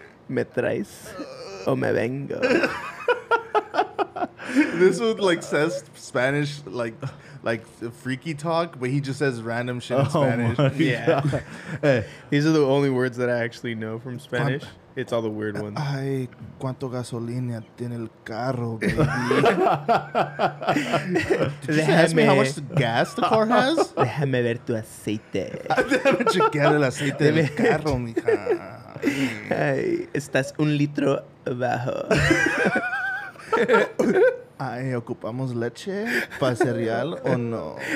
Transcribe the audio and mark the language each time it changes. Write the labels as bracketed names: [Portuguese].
[Spanish] Me traes o me vengo. [English] This would like says Spanish like freaky talk, but he just says random shit in Spanish. Yeah. Hey. These are the only words that I actually know from Spanish. It's all the weird ones. [Spanish] Ay, cuánto gasolina tiene el carro, baby. [English] Did you ask me how much the gas the car has? [Spanish] Déjame ver tu aceite. Déjame chequear el aceite del carro, mija. Ay, estás un litro bajo. Ay, ¿ocupamos leche para cereal o no?